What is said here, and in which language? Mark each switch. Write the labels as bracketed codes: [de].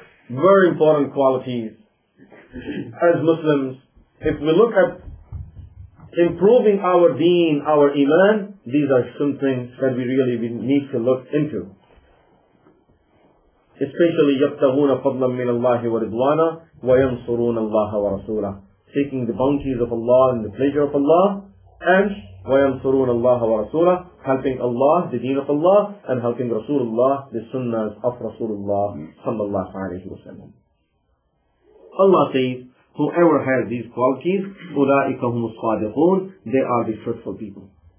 [en] Very important qualities as Muslims. If we look at improving our deen, our iman, these are some things that we really need to look into. Especially, [ar] يَبْتَغُونَ فَضْلًا مِّنَ اللَّهِ وَرِضْوَانًا وَيَنْصُرُونَ اللَّهَ وَرَسُولَهُ. [en] Seeking the bounties of Allah and the pleasure of Allah, and [ar] وَيَنْصُرُونَ اللَّهَ وَرَسُولَهُ, [en] helping Allah, the deen of Allah, and helping Rasulullah, the sunnahs of Rasulullah sallallahu alayhi wa sallam. Allah says, whoever has these qualities, [ar] أُولَٰئِكَ هُمُ الصَّادِقُونَ, [en] they are the truthful people.